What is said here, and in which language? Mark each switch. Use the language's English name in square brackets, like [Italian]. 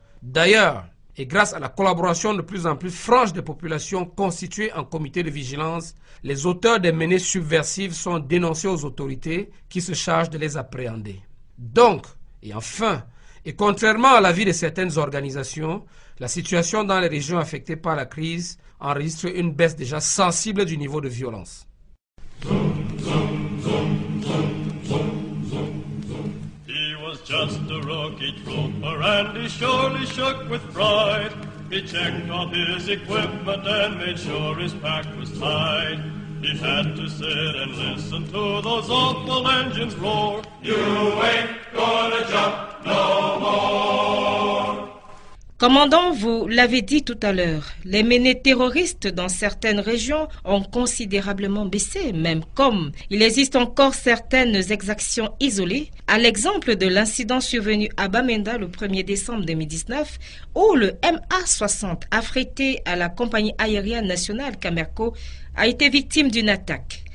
[French] D'ailleurs, et grâce à la collaboration de plus en plus franche des populations constituées en comités de vigilance, les auteurs des menées subversives sont dénoncés aux autorités qui se chargent de les appréhender. Donc, et enfin, et contrairement à l'avis de certaines organisations, la situation dans les régions affectées par la crise enregistre une baisse déjà sensible du niveau de violence. [English] Just a rugged roper, and he surely shook with pride. He checked off his equipment and made sure his pack was tied. He had to sit and listen to those awful engines roar. You ain't gonna jump no more. [French] Commandant, vous l'avez dit tout à l'heure, les menées terroristes dans certaines régions ont considérablement baissé, même comme il existe encore certaines exactions isolées, à l'exemple de l'incident survenu à Bamenda le 1er décembre 2019, où le MA-60 affrété à la compagnie aérienne nationale Camerco a été victime d'une attaque.